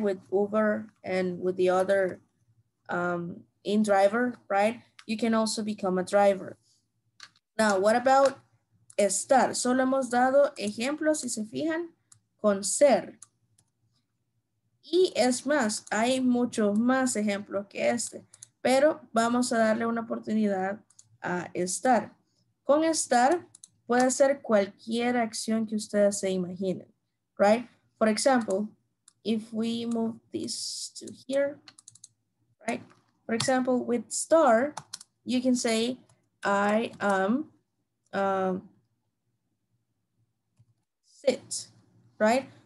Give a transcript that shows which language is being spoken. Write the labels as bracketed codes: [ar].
[en] With Uber and with the other in driver, right? You can also become a driver. Now, what about estar? [es] Solo hemos dado ejemplos, si se fijan, con ser. Y es más, hay muchos más ejemplos que este, pero vamos a darle una oportunidad a estar. Con estar puede ser cualquier acción que ustedes se imaginen, right? [en] For example, if we move this to here, right? For example, with star, you can say, I am sit, right?